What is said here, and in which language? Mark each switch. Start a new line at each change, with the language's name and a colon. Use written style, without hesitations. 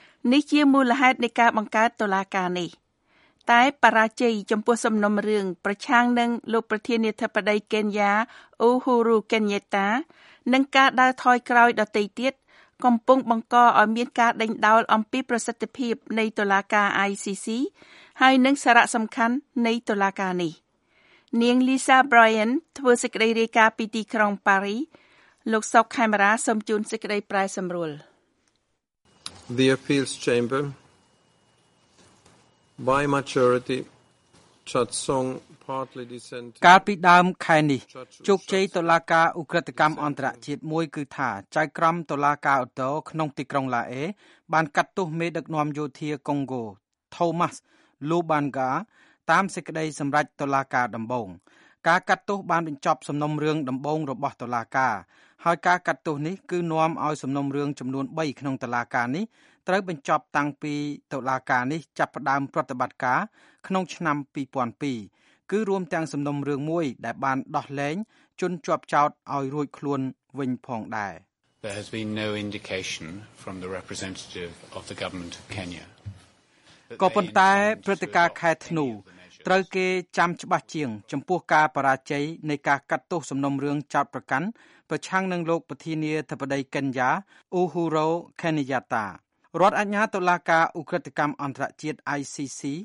Khmer: នេះជាមូលហេតុនៃការបង្កើតតុលាការនេះតែបរាជ័យចំពោះសំណុំរឿងប្រឆាំងនឹងលោកប្រធានាធិបតីកេនយ៉ាអ៊ូហ៊ូរូកេនយេតានិងការដើរថយក្រោយដទៃទៀតកំពុងបង្កឲ្យមានការដេញដោលអំពីប្រសិទ្ធភាពនៃតុលាការ ICC ហើយនិងសារៈសំខាន់នៃតុលាការនេះនាងលីសាប្រាយអិនធ្វើសេចក្តីរាយការណ៍ពីទីក្រុងប៉ារីលោកសុកខេមរ៉ាសូមជូនសេចក្តីប្រែសម្រួល
English: The Appeals ChamberBy majority, Chatsong partly dissent.
Khmer: កាលពីដើមខែនេះជោគជ័យតុលាការអូក្រិដ្ឋកម្មអន្តរជាតិមួយគឺថាចៅក្រមតុលាការអូតូក្នុងទីក្រុងឡាអេបានកាត់ទោសមេដឹកនាំយោធាកុងហ្គោ Thomas Lubanga តាមសេចក្តីសម្រេចតុលាការដំបូង ការកាត់ទោសបានបញ្ចប់សំណុំរឿងដំបូងរបស់តុលាការហើយការកាត់ទោសនេះគឺនាំឲ្យសំណុំរឿងចំនួន3ក្នុងតុលាការនេះត្រូវបញ្ចប់តាំងពីតុលាការនេះចាប់ផ្ដើមប្រតិបត្តិការក្នុងឆ្នាំ2002គឺរួមទាំងសំណុំរឿងមួយដែលបានដោះលែងជនជាប់ចោទឲ្យរួចខ្លួនវិញផងដែរ
English: There has been no indication from the representative of the government of Kenya
Khmer: ក៏ប៉ុន្តែព្រឹត្តិការណ៍ខែធ្នូត្រូវគេចាំច្បាស់ជាងចំពោះការបរាជ័យនៃការកាត់ទោសសំណុំរឿងចោទប្រកាន់ប្រឆាំងនឹងលោកប្រធានាធិបតីកេនយ៉ាអ៊ូហ៊ូរ៉ូខេនយ៉ាតារដ្ឋអាជ្ញាតុលាការឧក្រិដ្ឋកម្មអន្តរជាតិ ICC